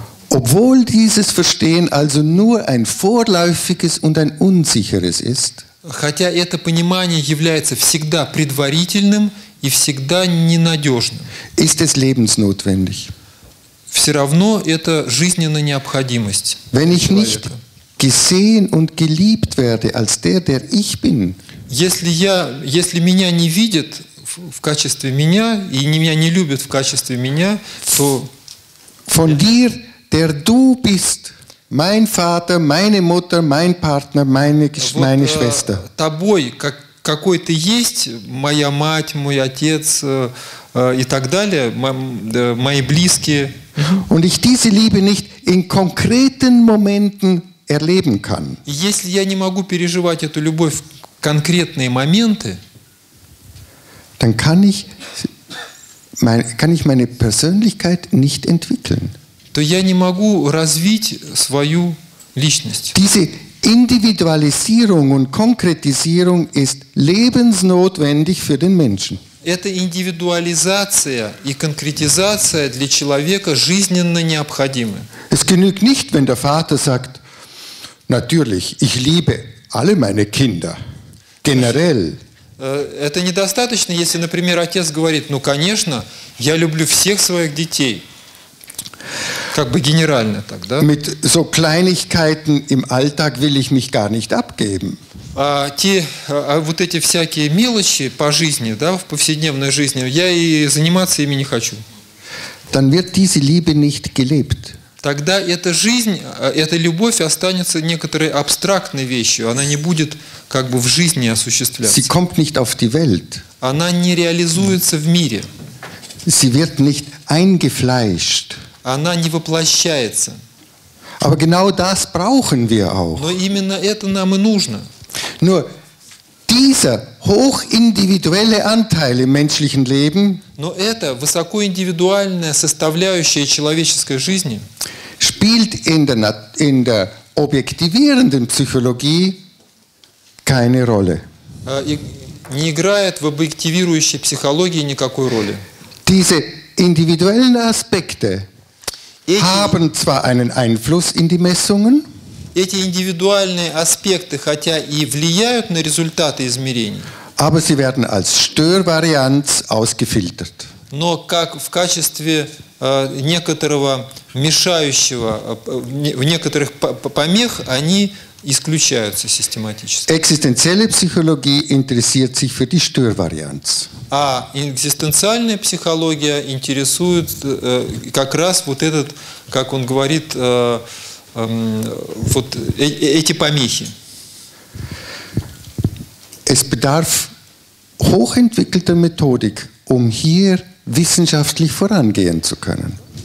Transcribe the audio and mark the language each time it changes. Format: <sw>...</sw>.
<de>Obwohl dieses Verstehen also nur ein vorläufiges und ein unsicheres ist.</de> <ru>Хотя это понимание является всегда предварительным и всегда ненадежным.</ru> <de>Ist es lebensnotwendig?</de> <ru>Все равно это жизненная необходимость.</ru> <de>Wenn ich nicht gesehen und geliebt werde als der, der ich bin.</de> <ru>Если меня не видят в качестве меня и меня не любят в качестве меня, то</ru> <de>von dir, der du bist, mein Vater, meine Mutter, mein Partner, meine Schwester.</de> <ru>Тобой, какой ты есть, моя мать, мой отец и так далее, мои близкие.</ru> <de>Und ich diese Liebe nicht in konkreten Momenten erleben kann.</de> <ru>Если я не могу переживать эту любовь в конкретные моменты,</ru> <de>dann kann ich meine Persönlichkeit nicht entwickeln.</de> <ru>То я не могу развить свою личность.</ru> <de>Diese Individualisierung und Konkretisierung ist lebensnotwendig für den Menschen.</de> <ru>Эта индивидуализация и конкретизация для человека жизненно необходимы.</ru> <de>Es genügt nicht, wenn der Vater sagt: Natürlich, ich liebe alle meine Kinder. Generell.</de> <ru>Это недостаточно, если, например, отец говорит: Ну, конечно, я люблю всех своих детей. Как бы генерально так, да?</ru> <de>Mit so Kleinigkeiten im Alltag will ich mich gar nicht abgeben.</de> <ru>Вот эти всякие мелочи по жизни, да, в повседневной жизни, я и заниматься ими не хочу.</ru> <de>Dann wird diese Liebe nicht gelebt.</de> <ru>Тогда эта жизнь, эта любовь останется некоторой абстрактной вещью, она не будет как бы в жизни осуществляться.</ru> <de>Sie kommt nicht auf die Welt.</de> <ru>Она не реализуется в мире.</ru> <de>Sie wird nicht eingefleischt.</de> <ru>Она не воплощается.</ru> <de>Aber genau das brauchen wir auch.</de> <ru>Но именно это нам и нужно.</ru> <de>Nur dieser hochindividuelle Anteil im menschlichen Leben,</de> <ru>но это высокоиндивидуальная составляющая человеческой жизни,</ru> <de>spielt in der objektivierenden Psychologie keine Rolle.</de> <ru>Не играет в объективирующей психологии никакой роли.</ru> <de>Diese individuellen Aspekte haben zwar einen Einfluss in die Messungen,</de> <ru>эти индивидуальные аспекты, хотя и влияют на результаты измерений,</ru> <de>aber sie werden als Störvarianz ausgefiltert.</de> <ru>Но как в качестве некоторого мешающего, в некоторых помех, они исключаются систематически.</ru> <de>Existenzielle Psychologie interessiert sich für die Störvarianz.</de> <ru>А экзистенциальная психология интересует как раз вот этот, как он говорит, вот эти помехи.</ru> <de>Es bedarf hochentwickelter Methodik, um hier wissenschaftlich vorangehen zu können.</de>